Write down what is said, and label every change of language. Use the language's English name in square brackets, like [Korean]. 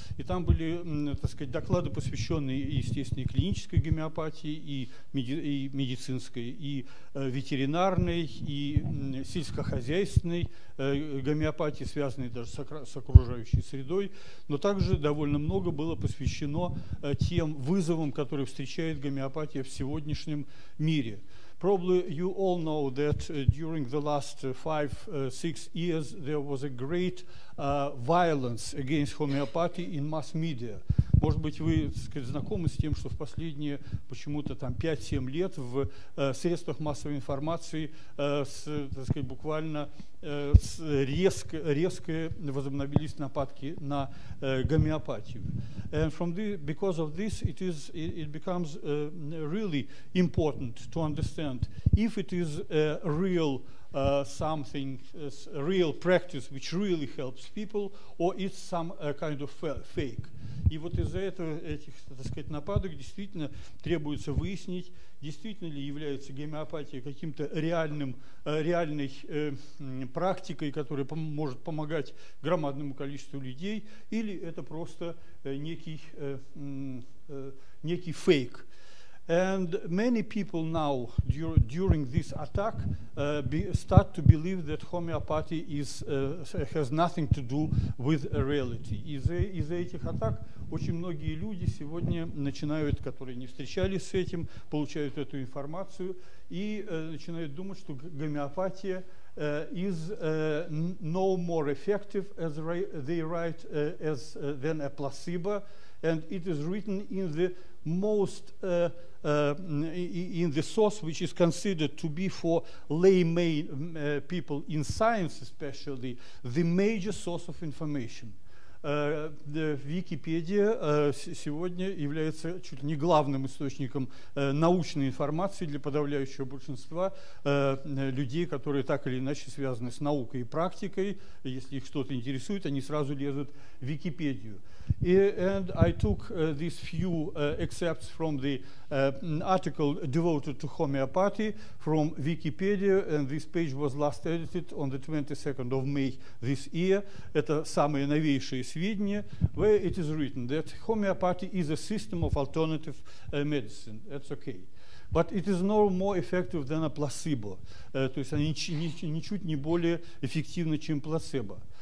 [Russian] И там были, так сказать, доклады, посвященные, естественно, и клинической гомеопатии, и медицинской, и ветеринарной, и сельскохозяйственной гомеопатии, связанной даже с окружающей средой. Но также довольно много было посвящено тем вызовам, которые встречает гомеопатия в сегодняшнем мире. [English] Probably you all know that during the last 5-6 years there was a great violence against homeopathy in mass media. [Russian] Может быть, вы, так сказать, знакомы с тем, что в последние почему-то там 5-7 лет в средствах массовой информации так сказать, буквально резко возобновились нападки на гомеопатию. [English] And from this, because of this, it becomes really important to understand if it is a real something, a real practice which really helps people, or it's some kind of fake. [Russian] И вот из-за этого, этих, так сказать, нападок действительно требуется выяснить, действительно ли является гомеопатия каким-то реальной практикой, которая может помогать громадному количеству людей, или это просто некий фейк. [English] And many people now, during this attack, start to believe that homeopathy has nothing to do with reality. [Russian] Из-за этих атак очень многие люди сегодня начинают, которые не встречались с этим, получают эту информацию и начинают думать, что гомеопатия [English] is no more effective as they write as than a placebo, and it is written in the most in the source which is considered to be for layman people in science especially the major source of information. [Russian] Википедия сегодня является чуть ли не главным источником научной информации для подавляющего большинства людей, которые так или иначе связаны с наукой и практикой. Если их что-то интересует, они сразу лезут в Википедию. [English] And I took these few excerpts from the article devoted to homeopathy from Wikipedia, and this page was last edited on the 22nd of May this year. [Russian] Это самые новейшие сведения, [English] where it is written that homeopathy is a system of alternative medicine. That's okay. But it is no more effective than a placebo. [Russian] То есть они ничуть не более эффективны, чем плацебо.